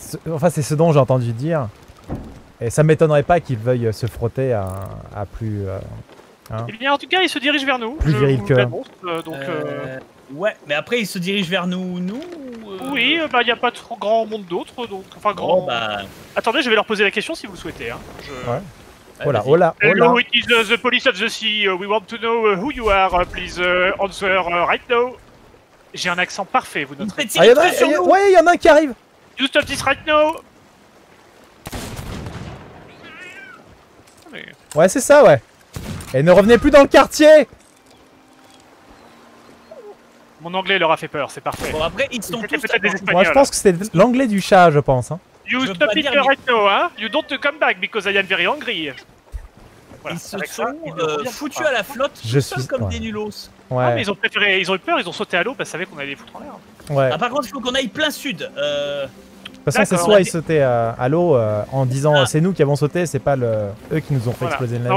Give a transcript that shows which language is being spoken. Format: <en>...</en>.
<fr>Enfin, c'est ce dont j'ai entendu dire. Et ça m'étonnerait pas qu'il veuille se frotter à plus. Eh bien, en tout cas, il se dirige vers nous. Plus viril que. Ouais, mais après il se dirige vers nous, Oui, bah il y a pas trop grand monde d'autres, donc enfin grand. Bon, bah... Attendez, je vais leur poser la question si vous le souhaitez. Hein. Voilà, voilà.</fr> <en>Hello, it is the police of the sea. We want to know who you are. Please answer right now.</en> <fr>J'ai un accent parfait, vous noterez. Ah, ouais, il y en a un qui arrive.</fr> <en>You stop this right now.</en> <fr>Ouais, c'est ça, ouais. Et ne revenez plus dans le quartier. Mon anglais leur a fait peur, c'est parfait. Bon, après, ils sont tous peut-être des Espagnols. Moi, je pense que c'est l'anglais du chat, je pense. Hein.</fr> <en>You stop it right now, hein? You don't come back because I am very angry.</en> <fr>Voilà. Ils se sont foutus à la flotte, je suis comme des nulos. Ouais. Ah, mais ils ont préféré, ils ont eu peur, ils ont sauté à l'eau parce qu'ils savaient qu'on allait les foutre en l'air. Ouais. Ah, par contre, il faut qu'on aille plein sud. De toute façon, c'est soit ils sautaient à l'eau en disant c'est nous qui avons sauté, c'est pas eux qui nous ont fait exploser le navire.</fr>